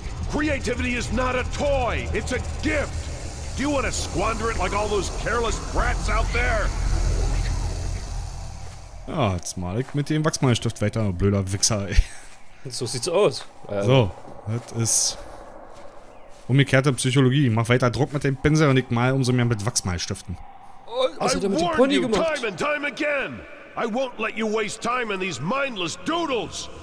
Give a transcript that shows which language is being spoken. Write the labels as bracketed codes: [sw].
[en] Creativity is not a toy, it's a gift. Do you want to squander it like all those careless brats out there? [de] Ja, jetzt mal ich mit dem Wachsmalstift weiter, blöder Wichser, ey. So sieht's aus. So, das ist umgekehrte Psychologie. Mach weiter Druck mit dem Pinsel und ich mal umso mehr mit Wachsmalstiften. Also damit den Pony gemacht. [en] Time and time again. I won't let you waste time in these mindless doodles.